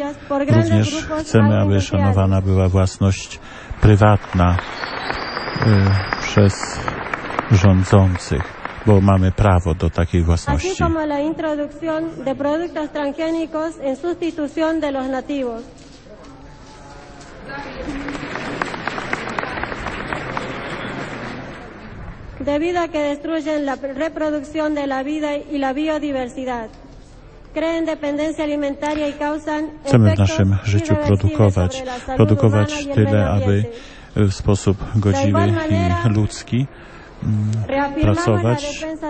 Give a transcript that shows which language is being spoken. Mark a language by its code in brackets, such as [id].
[pl] Również chcemy, aby szanowana była własność prywatna przez rządzących, bo mamy prawo do takiej własności. [es] Así como la introducción de productos transgénicos en sustitución de los nativos. de vida que destruyen la reproducción de la vida y la biodiversidad. Creen dependencia alimentaria y causan efectos. [pl] Chcemy w naszym życiu produkować, produkować tyle, aby w sposób godziwy i ludzki pracować.